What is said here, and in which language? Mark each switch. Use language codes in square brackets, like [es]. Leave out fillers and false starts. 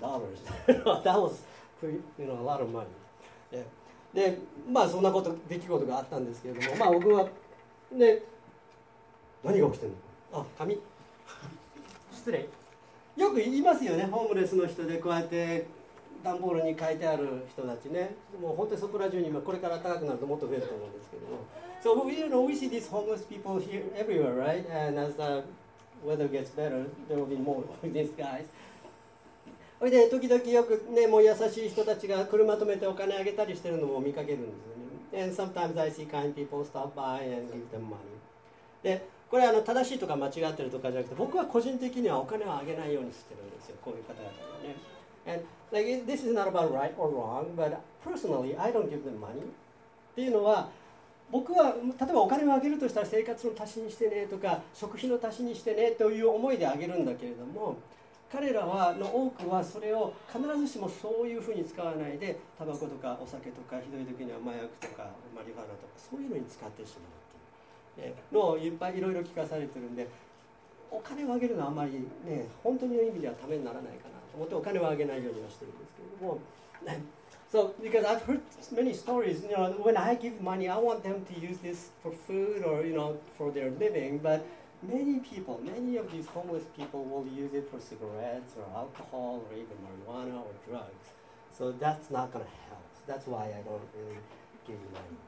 [en] That was pretty, you know, a lot of money. [ja] で、まあそんなこと、出来事があったんですけれども、まあ僕は、で何が起きてるの？あ、髪。失礼。よく言いますよね、ホームレスの人でこうやって段ボールに書いてある人たちね。もう本当にそこら中に、今これから高くなるともっと増えると思うんですけども。 [en] So we, you know, we see these homeless people here everywhere, right? And as the weather gets better, there will be more of these guys. [ja] それで時々よくね、もう優しい人たちが車止めてお金あげたりしてるのも見かけるんですよね。 [en] And sometimes I see kind people stop by and give them money. [ja] で、これあの正しいとか間違ってるとかじゃなくて、僕は個人的にはお金をあげないようにしてるんですよ、こういう方々はね。 [en] And like, this is not about right or wrong, but personally, I don't give them money. [ja] っていうのは、僕は例えばお金をあげるとしたら生活の足しにしてねとか食費の足しにしてねという思いであげるんだけれども彼らはの多くはそれを必ずしもそういうふうに使わないでタバコとかお酒とかひどい時には麻薬とかマリファナとかそういうのに使ってしまうというのをいっぱいいろいろ聞かされてるんでお金をあげるのはあまりね本当の意味ではためにならないかなと思ってお金をあげないようにはしてるんですけれども。 [en] So, because I've heard many stories, you know, when I give money, I want them to use this for food or, you know, for their living. But many people, many of these homeless people will use it for cigarettes or alcohol or even marijuana or drugs. So that's not going to help. That's why I don't really give money.